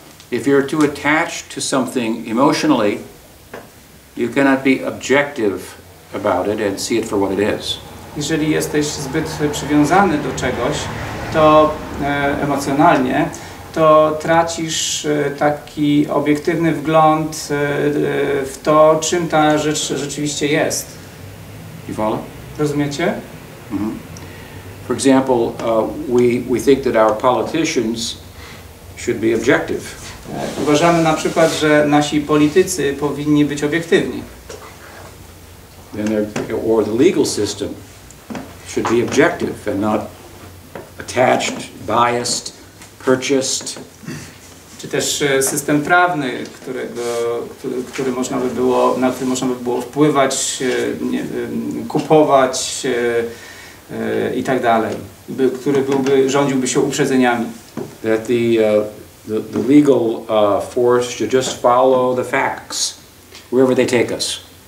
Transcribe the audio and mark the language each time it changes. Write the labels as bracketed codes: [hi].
[en] If you're too attached to something emotionally, you cannot be objective about it and see it for what it is. [pl] Jeżeli jesteś zbyt przywiązany do czegoś, to emocjonalnie, to tracisz taki obiektywny wgląd w to, czym ta rzecz rzeczywiście jest. [en] You follow? [pl] Rozumiecie? Mm-hmm. [en] For example, we think that our politicians should be objective. [pl] Uważamy na przykład, że nasi politycy powinni być obiektywni. [en] Or the legal system should be objective and not attached, biased, purchased. [pl] Czy też system prawny, który można by było, na który można by było wpływać, nie, kupować i tak dalej, który byłby, rządziłby się uprzedzeniami. [en] That the legal force should just follow the facts wherever they take us.